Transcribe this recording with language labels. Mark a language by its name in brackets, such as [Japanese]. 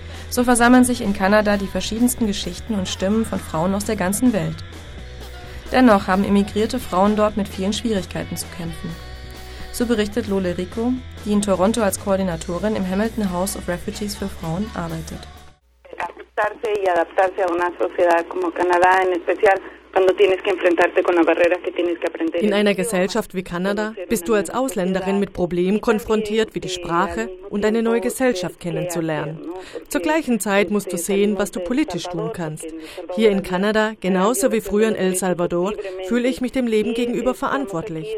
[German] So versammeln sich in Kanada die verschiedensten Geschichten und Stimmen von Frauen aus der ganzen Welt. Dennoch haben emigrierte Frauen dort mit vielen Schwierigkeiten zu kämpfen. So berichtet Lole Rico, die in Toronto als Koordinatorin im Hamilton House of Refugees für Frauen arbeitet. [Spanish] Adaptarse y adaptarse a una sociedad como Canadá en especial. [German] In einer Gesellschaft wie Kanada bist du als Ausländerin mit Problemen konfrontiert, wie die Sprache und eine neue Gesellschaft kennenzulernen. Zur gleichen Zeit musst du sehen, was du politisch tun kannst. Hier in Kanada, genauso wie früher in El Salvador, fühle ich mich dem Leben gegenüber verantwortlich.